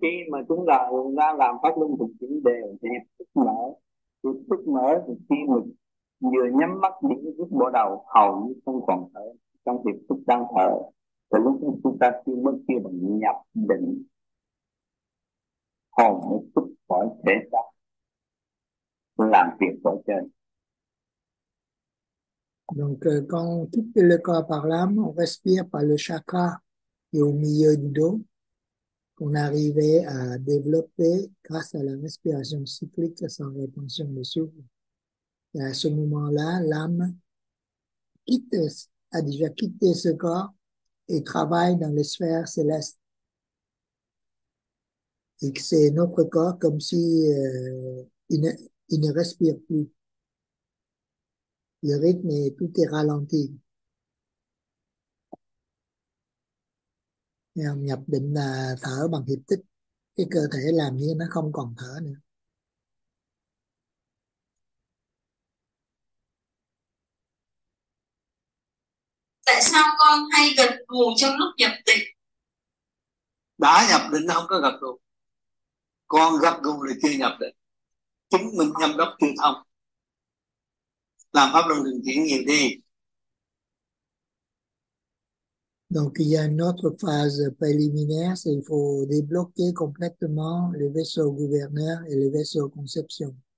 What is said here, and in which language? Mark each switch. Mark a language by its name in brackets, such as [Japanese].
[Vietnamese] Khi mà chúng ta đang làm pháp luân thường chuyển đều thì thức mở, thì thức mở thì khi mình vừa nhắm mắt những lúc bắt đầu hầu như không còn thở trong việc thức đang thở, thì lúc chúng ta chưa mất kia bằng nhập định hầu một thức khỏi thể xác làm việc ở trên. [French] Donc, quand on quitte le corps par l'âme, on respire par le chakra qui est au milieu du dos, qu'on arrivait à développer grâce à la respiration cyclique sans rétention de souffle. Et à ce moment-là, l'âme a déjà quitté ce corps et travaille dans les sphères célestes. Et que c'est notre corps comme si il ne respire plus. Le rythme est tout est ralenti. Et on [Vietnamese] nhập định là thở bằng hiệp tích. Cái cơ thể làm như nó không còn thở nữa. Tại sao con hay gật gù trong lúc nhập định? Đã nhập định nó không có gật gù, còn gật gù thì chưa nhập định, chứng minh nhâm đốc chưa thông, làm pháp luân thường chuyển nhiều đi. [French] Donc, il y a une autre phase préliminaire, c'est qu'il faut débloquer complètement le vaisseau gouverneur et le vaisseau conception.